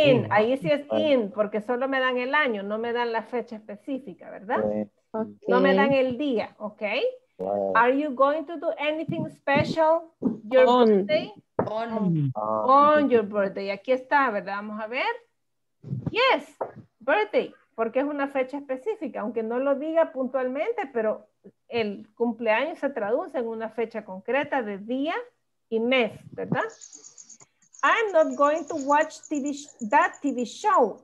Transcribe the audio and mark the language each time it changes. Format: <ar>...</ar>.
<es>Ahí sí es in, porque solo me dan el año, no me dan la fecha específica, ¿verdad?</es> <en>Okay.</en> <es>No me dan el día, ¿ok? Wow.</es> <en>Are you going to do anything special your on. Birthday? On your birthday.</en> <es>Aquí está, ¿verdad? Vamos a ver. Yes, birthday, porque es una fecha específica, aunque no lo diga puntualmente, pero el cumpleaños se traduce en una fecha concreta de día y mes, ¿verdad?</es> <en>I'm not going to watch that TV show.</en>